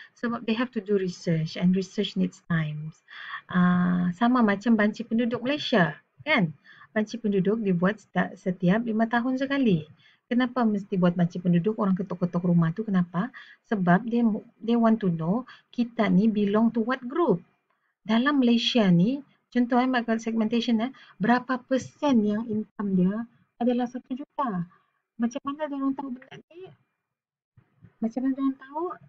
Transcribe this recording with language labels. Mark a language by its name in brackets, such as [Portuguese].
[Malay] Sebab [English] they have to do research and research needs time. [Malay] Sama macam banci penduduk Malaysia kan? Banci penduduk dibuat setiap 5 tahun sekali. Kenapa mesti buat banci penduduk, orang ketuk-ketuk rumah tu kenapa? Sebab [English] they want to know [Malay] kita ni [English] belong to what group. [Malay] Dalam Malaysia ni, contohnya macam segmentation eh, berapa persen yang income dia adalah 1 juta. Macam mana diorang tahu benda ni? Macam mana diorang tahu?